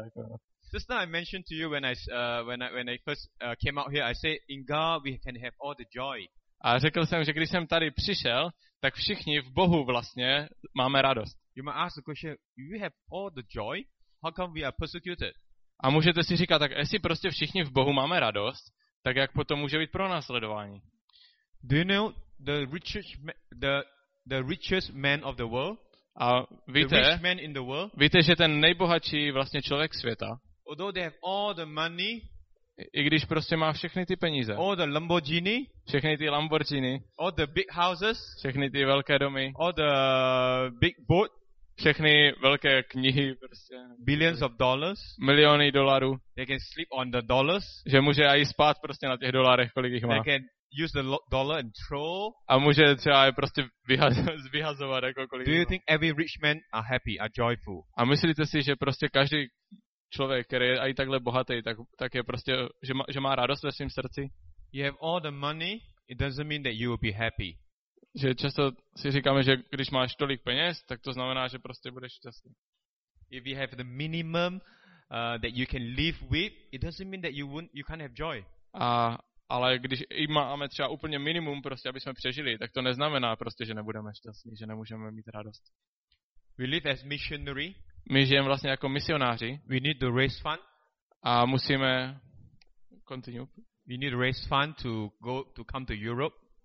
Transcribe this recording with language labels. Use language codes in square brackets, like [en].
[cs] Jako. [en] Just now, I mentioned to you when I first came out here, I say in God we can have all the joy. [cs] A řekl jsem, že když jsem tady přišel, tak všichni v Bohu vlastně máme radost. [en] You might ask the question, you have all the joy? How come we are persecuted? [cs] A můžete si říkat, tak jestli prostě všichni v Bohu máme radost, tak jak potom může být pronásledování? [en] Do you know the richest man of the world? [cs] A víte, [en] the rich man in the world? [cs] Víte, že ten nejbohatší vlastně člověk světa. [en] Although they have all the money, [cs] i když prostě má všechny ty peníze. [en] All the Lamborghini, [cs] všechny ty Lamborghini. [en] All the big houses, [cs] všechny ty velké domy. [en] All the big boat, [cs] všechny velké knihy prostě. [en] Billions of dollars, [cs] miliony dolarů. [en] They can sleep on the dollars, [cs] že může aj spát prostě na těch dolarech, kolik jich má. [en] Use the dollar and throw. [cs] A může třeba je prostě vyhazovat jako kolik. [en] Do you think every rich man are happy, are joyful? [cs] A myslíte si, že prostě každý člověk, který je aj takhle bohatý, tak je prostě, že má radost ve svém srdci? [en] You have all the money, it doesn't mean that you will be happy. [cs] Že často si říkáme, že když máš tolik peněz, tak to znamená, že prostě budeš šťastný. [en] If you have the minimum that you can live with, it doesn't mean that you can't have joy. [cs] Ale když i máme třeba úplně minimum, prostě aby jsme přežili, tak to neznamená prostě, že nebudeme šťastní, že nemůžeme mít radost. [en] We live as missionary. [cs] My žijeme vlastně jako misionáři. [en] We need to raise fund. [cs] A musíme continue. [en] We need raise fund to go to come to Europe.